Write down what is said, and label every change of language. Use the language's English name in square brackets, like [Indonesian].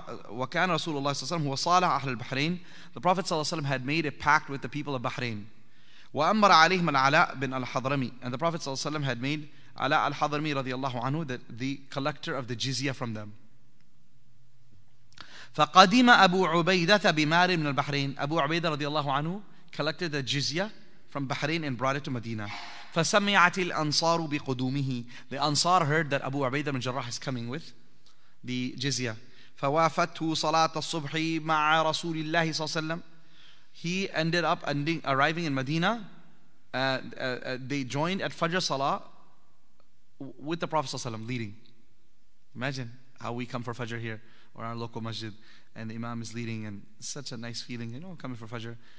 [Arabic] وكان رسول الله صلى الله عليه وسلم هو صالح أهل البحرين. [English] The Prophet [Arabic] صلى الله عليه وسلم [English] had made a pact with the people of Bahrain. [Arabic] وأمر عليهم العلاء بن الحضرمي. [English] And the Prophet [Arabic] صلى الله عليه وسلم [English] had made علاء الحضرمي [Arabic] رضي الله عنه [English] the collector of the jizya from them. [Arabic] فقدم أبو عبيدة بمال من البحرين. [English] أبو عبيدة [Arabic] رضي الله عنه [English] collected the jizya from Bahrain and brought it to Medina. [Arabic] فسمعت الأنصار بقدومه. [English] The Ansar heard that Abu Ubaidah bin Jarrah is coming with the jizya. [Arabic] فوافته صلاة الصبح مع رسول الله صلى الله عليه وسلم. [English] He ended up arriving in Medina. They joined at Fajr Salah with the Prophet [Arabic] صلى الله عليه وسلم [English] leading. Imagine how we come for Fajr here or our local masjid, and the Imam is leading, and such a nice feeling. You know, coming for Fajr.